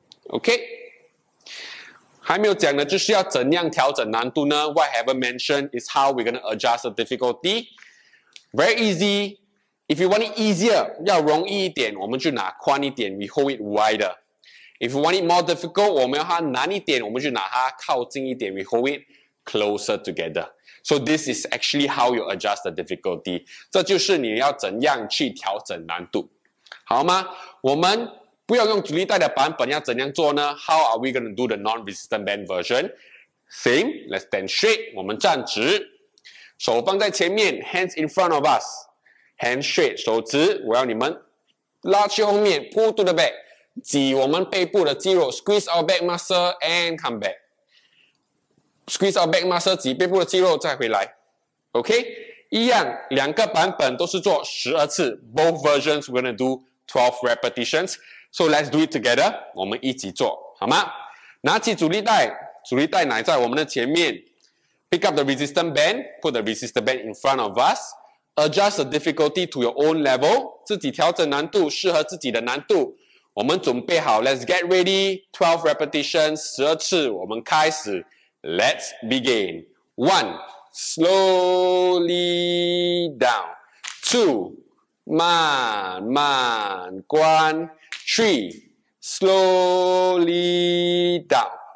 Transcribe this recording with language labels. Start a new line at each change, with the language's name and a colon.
English: OK,
Chinese: 还没有讲的就是要怎样调整难度呢
English: What I haven't mentioned is how we're going to adjust the difficulty. Very easy. If you want it easier,
Chinese: 要容易一点我们就拿宽一点
English: We hold it wider. If you want it more difficult,
Chinese: 我们要它难一点我们就拿它靠近一点
English: We hold it closer together. So this is actually how you adjust the difficulty.
Chinese: 这就是你要怎样去调整难度，好吗？我们不要用阻力带的版本，要怎样做呢
English: ？How are we going to do the non-resistant band version? Same. Let's stand straight.
Chinese: 我们站直，手放在前面
English: ，hands in front of us. Hands straight.
Chinese: 手直。我要你们拉去后面
English: ，pull to the back.
Chinese: 挤我们背部的肌肉
English: ，squeeze our back muscle and come back. Squeeze our back muscle,
Chinese: 挤背部的肌肉再回来。
English: OK?
Chinese: 一样两个版本都是做12次。
English: Both versions, we're gonna do 12 repetitions. So let's do it together.
Chinese: 我们一起做好吗拿起阻力带阻力带乃在我们的前面。
English: Pick up the resistance band, put the resistance band in front of us. Adjust the difficulty to your own level.
Chinese: 自己调整难度适合自己的难度。我们准备好 ,
English: let's get ready. 12 repetitions,
Chinese: 12次我们开始。
English: Let's begin. One, slowly down. Two,
Chinese: 慢慢关
English: Three, slowly down.